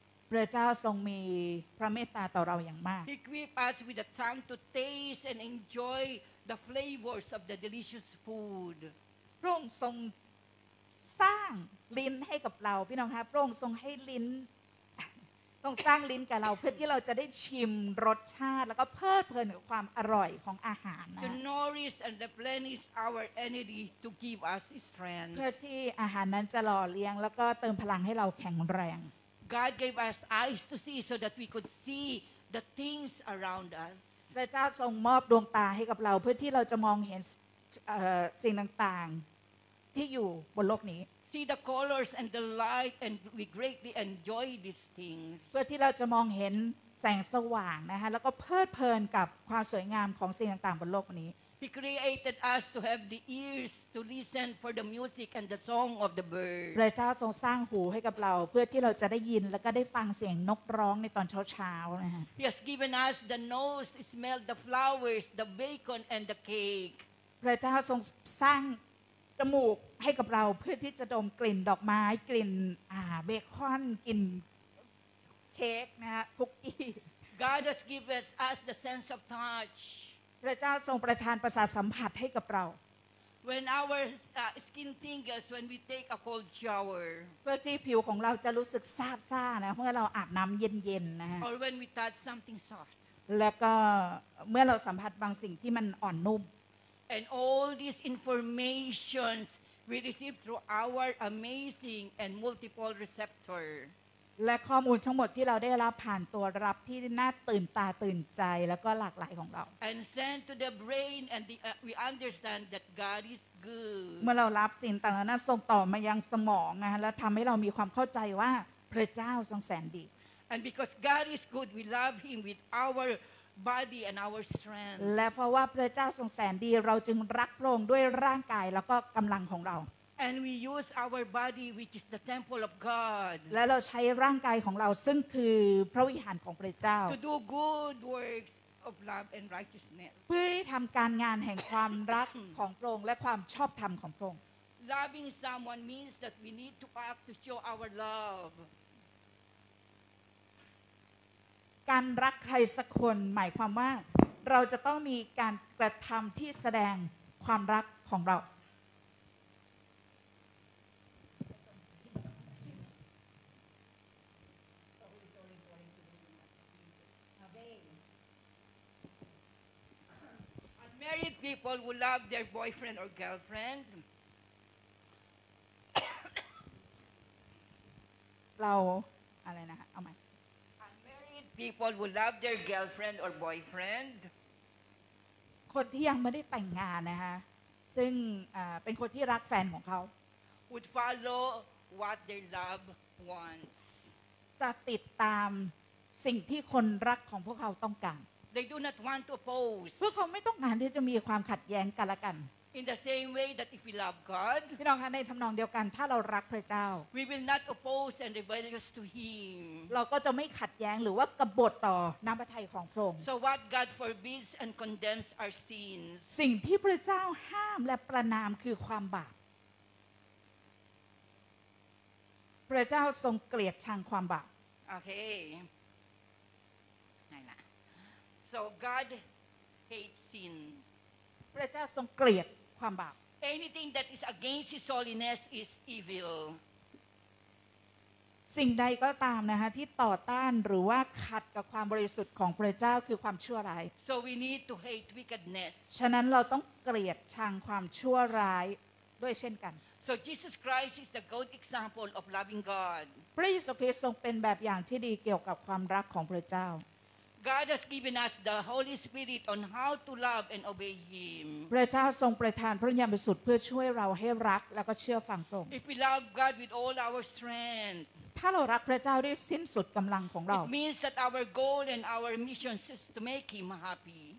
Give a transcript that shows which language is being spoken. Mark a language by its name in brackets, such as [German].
[Thai] พระเจ้าทรงมีพระเมตตาต่อเราอย่างมาก [English] He equipped us with the tongue to taste and enjoy. The flavors of the delicious food. [Thai] พระองค์ทรงสร้างลิ้นให้กับเราพี่น้องคะพระองค์ทรงให้ลิ้นต้องสร้างลิ้นกับเราเพื่อที่เราจะได้ชิมรสชาติแล้วก็เพลิดเพลินกับความอร่อยของอาหารนะ [English] To nourish and replenish our energy to give us strength. [Thai] เพื่อที่อาหารนั้นจะหล่อเลี้ยงแล้วก็เติมพลังให้เราแข็งแรง [English] God gave us eyes to see so that we could see the things around us. [Thai] พระเจ้าทรงมอบดวงตาให้กับเราเพื่อที่เราจะมองเห็นสิ่งต่างๆที่อยู่บนโลกนี้ [English] See the colors and the light and we greatly enjoy these things [Thai] เพื่อที่เราจะมองเห็นแสงสว่างนะฮะแล้วก็เพลิดเพลินกับความสวยงามของสิ่งต่างๆบนโลกนี้ [English] He created us to have the ears to listen for the music and the song of the bird [Thai] พระเจ้าทรงสร้างหูให้กับเราเพื่อที่เราจะได้ยินแล้วก็ได้ฟังเสียงนกร้องในตอนเช้าๆนะฮะ [English] He has given us the nose to smell the flowers the bacon and the cake [Thai] พระเจ้าทรงสร้างจมูกให้กับเราเพื่อที่จะดมกลิ่นดอกไม้กลิ่นเบคอนกลิ่นเค้กนะฮะคุกกี้ [English] God has given us the sense of touch [Thai] พระเจ้าทรงประทานประสาทสัมผัสให้กับเรา [English] When our skin tingles when we take a cold shower [Thai] เพื่อที่ผิวของเราจะรู้สึกซาบซ่านะเมื่อเราอาบน้ำเย็นๆนะ [English] Or when we touch something soft [Thai] แล้วก็เมื่อเราสัมผัสบางสิ่งที่มันอ่อนนุ่ม [English] And all these informations we receive through our amazing and multiple receptor [Thai] และข้อมูลทั้งหมดที่เราได้รับผ่านตัวรับที่น่าตื่นตาตื่นใจแล้วก็หลากหลายของเรา [English] And send to the brain and the, we understand that God is good [Thai] เมื่อเรารับสิ่งต่างๆนั้นส่งต่อมายังสมองนะแล้วทำให้เรามีความเข้าใจว่าพระเจ้าทรงแสนดี [English] And because God is good we love him with our body and our strength [Thai] และเพราะว่าพระเจ้าทรงแสนดีเราจึงรักพระองค์ด้วยร่างกายแล้วก็กำลังของเรา [English] And we use our body, which is the temple of God. [Thai] และเราใช้ร่างกายของเราซึ่งคือพระวิหารของพระเจ้า [English] To do good works of love and righteousness. [Thai] เพื่อทำการงานแห่งความรักของพระองค์และความชอบธรรมของพระองค์ [English] Loving someone means that we need to act to show our love. [Thai] การรักใครสักคนหมายความว่าเราจะต้องมีการกระทําที่แสดงความรักของเรา [English] married people who love their boyfriend or girlfriend [Thai] เราอะไรนะเอาใหม่ [English] People who love their girlfriend or boyfriend. [Thai] คนที่ยังไม่ได้แต่งงานนะฮะซึ่งเป็นคนที่รักแฟนของเขา [English] Would follow what their love wants. [Thai] จะติดตามสิ่งที่คนรักของพวกเขาต้องการ [English] They do not want to oppose. [Thai] เพื่อเขาไม่ต้องการที่จะมีความขัดแย้งกันละกัน [English] In the same way that if we love God. [Thai] พี่น้องคะในทำนองเดียวกันถ้าเรารักพระเจ้า [English] We will not oppose and rebellious to him. [Thai] เราก็จะไม่ขัดแย้งหรือว่ากบฏต่อน้ำพระทัยของพระองค์ [English] So what God forbids and condemns are sins. [Thai] สิ่งที่พระเจ้าห้ามและประณามคือความบาปพระเจ้าทรงเกลียดชังความบาป โอเคไหนล่ะ [English] So God hates sin. [Thai] พระเจ้าทรงเกลียดความบาป [English] Anything that is against his holiness is evil [Thai] สิ่งใดก็ตามนะฮะที่ต่อต้านหรือว่าขัดกับความบริสุทธิ์ของพระเจ้าคือความชั่วร้าย [English] So we need to hate wickedness [Thai] ฉะนั้นเราต้องเกลียดชังความชั่วร้ายด้วยเช่นกัน [English] So Jesus Christ is the good example of loving God [Thai] พระเยซูคริสต์ทรงเป็นแบบอย่างที่ดีเกี่ยวกับความรักของพระเจ้า [English] God has given us the Holy Spirit on how to love and obey Him. [Thai] พระเจ้าทรงประทานพระวิญญาณบริสุทธิ์เพื่อช่วยเราให้รักแล้วก็เชื่อฟังพระองค์ [English] If we love God with all our strength, [Thai] ถ้าเรารักพระเจ้าด้วยสิ้นสุดกำลังของเรา [English] It means that our goal and our mission is to make Him happy.